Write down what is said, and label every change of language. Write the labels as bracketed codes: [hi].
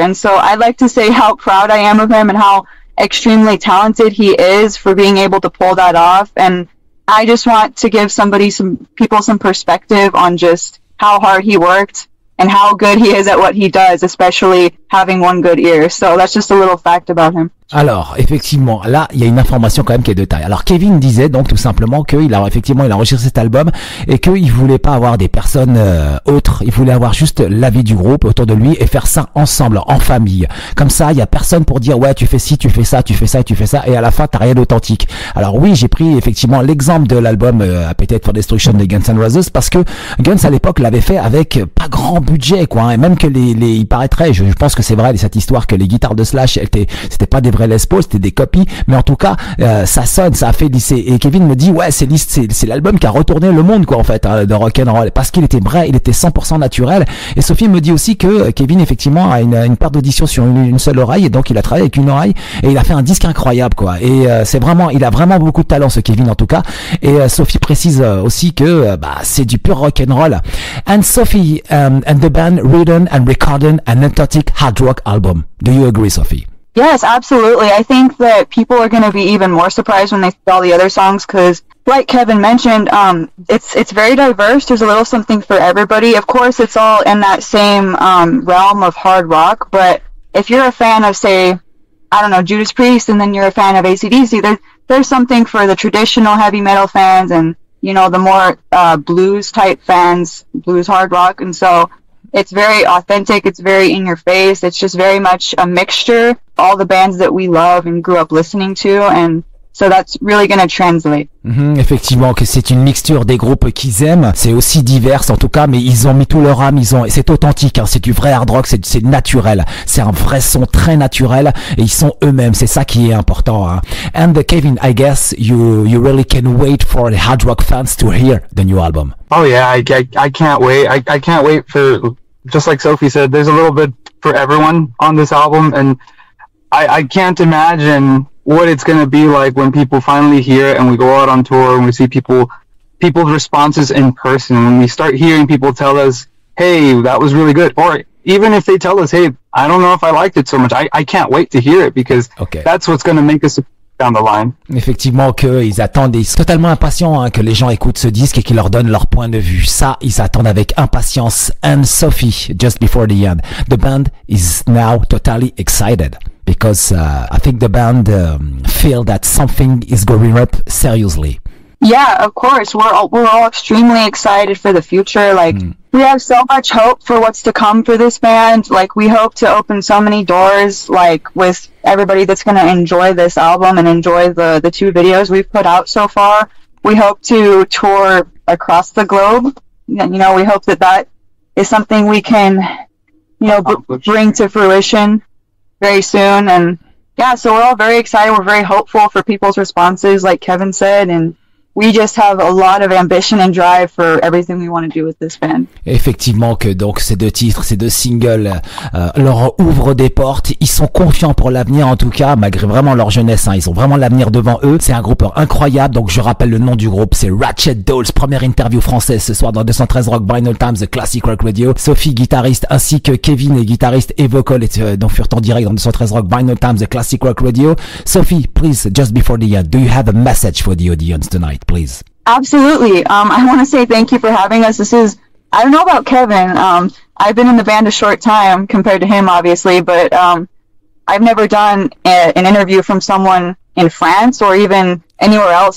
[en] And so I'd like to say how proud I am of him and how extremely talented he is for being able to pull that off. And I just want to give somebody, some people, some perspective on just how hard he worked and how good he is at what he does, especially having one good ear. So that's just a little fact about him. [fr] Alors, effectivement, là, il y a une information quand même qui est de taille. Alors, Kevin disait donc tout simplement qu'il a effectivement, il a enregistré cet album et qu'il voulait pas avoir des personnes autres. Il voulait avoir juste l'avis du groupe autour de lui et faire ça ensemble, en famille. Comme ça, il y a personne pour dire, ouais, tu fais ci, tu fais ça, tu fais ça, tu fais ça, et à la fin, t'as rien d'authentique. Alors oui, j'ai pris effectivement l'exemple de l'album Appetite for Destruction de Guns N' Roses parce que Guns, à l'époque, l'avait fait avec pas grand budget, quoi. Hein, et même que les il paraîtrait, je pense que c'est vrai, cette histoire que les guitares de Slash, c'était pas des vrais Les Paul, c'était des copies, mais en tout cas ça sonne, ça a fait lisser. Et Kevin me dit ouais, c'est l'album qui a retourné le monde quoi en fait hein, de rock'n'roll, parce qu'il était vrai, il était 100% naturel. Et Sophie me dit aussi que Kevin effectivement a une perte d'audition sur une seule oreille, et donc il a travaillé avec une oreille et il a fait un disque incroyable quoi. Et c'est vraiment, il a vraiment beaucoup de talent ce Kevin en tout cas. Et Sophie précise aussi que bah c'est du pur rock'n'roll. [en] And Sophie and the band written and recorded an authentic hard rock album. Do you agree, Sophie? Yes, absolutely. I think that people are going to be even more surprised when they see all the other songs, because like Kevin mentioned, it's very diverse. There's a little something for everybody. Of course, it's all in that same realm of hard rock. But if you're a fan of, say, I don't know, Judas Priest, and then you're a fan of AC/DC, there's something for the traditional heavy metal fans and, you know, the more blues type fans, blues hard rock. And so it's very authentic. It's very in your face. It's just very much a mixture. All the bands that we love and grew up listening to, and so that's really going to translate. [fr] Mmh, effectivement, que c'est une mixture des groupes qu'ils aiment. C'est aussi divers, en tout cas, mais ils ont mis tout leur âme. Ils ont, c'est authentique. Hein, c'est du vrai hard rock. C'est naturel. C'est un vrai son très naturel. Et ils sont eux-mêmes. C'est ça qui est important. Hein. [en] And Kevin, I guess you really can wait for the hard rock fans to hear the new album. Oh yeah, I can't wait. I can't wait for, just like Sophie said, there's a little bit for everyone on this album, and I can't imagine what it's going to be like when people finally hear it and we go out on tour and we see people's responses in person. When we start hearing people tell us, hey, that was really good. Or even if they tell us, hey, I don't know if I liked it so much. I can't wait to hear it, because okay, that's what's going to make us down the line. [fr] Effectivement, qu'ils attendent, ils sont totalement impatients hein, que les gens écoutent ce disque et qu'ils leur donnent leur point de vue. Ça, ils attendent avec impatience. [en] And Sophie, just before the end, the band is now totally excited. Because I think the band feel that something is going up seriously. Yeah, of course. We're all extremely excited for the future. Like, we have so much hope for what's to come for this band. Like, we hope to open so many doors, like, with everybody that's going to enjoy this album and enjoy the two videos we've put out so far. We hope to tour across the globe. You know, we hope that is something we can, you know, bring to fruition very soon. And yeah, so we're all very excited. We're very hopeful for people's responses, like Kevin said, and we just have a lot of ambition and drive for everything we want to do with this band. [fr] Effectivement, que donc ces deux titres, ces deux singles leur ouvrent des portes. Ils sont confiants pour l'avenir, en tout cas, malgré vraiment leur jeunesse. Hein, ils ont vraiment l'avenir devant eux. C'est un groupe incroyable. Donc je rappelle le nom du groupe, c'est Ratchet Dolls. Première interview française ce soir dans 213 Rock Vinyl Times, The Classic Rock Radio. Sophie, guitariste, ainsi que Kevin, guitariste et vocal, donc furent en direct dans 213 Rock Vinyl Times, The Classic Rock Radio. [en] Sophie, please, just before the end, do you have a message for the audience tonight? Please. Absolutely. I want to say thank you for having us. This is, I don't know about Kevin. I've been in the band a short time compared to him, obviously, but I've never done an interview from someone in France or even anywhere else.